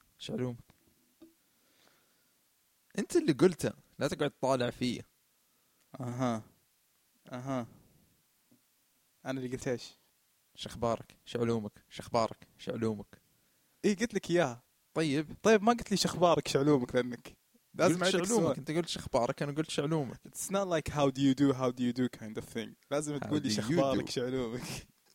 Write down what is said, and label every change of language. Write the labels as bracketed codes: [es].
[ar] شعلومك؟ انت اللي قلته، لا تقعد طالع فيه. اها اها، انا اللي قلت ايش؟ شخبارك شعلومك؟ شخبارك شعلومك؟ ايه قلت لك اياها. طيب طيب، ما قلت لي شخبارك شعلومك، لانك لازم قلت شعلومك. انت قلت شخبارك، انا قلت شعلومك. [en] It's not like how do you do, how do you do kind of thing. [ar] لازم تقول لي شخبارك شعلومك.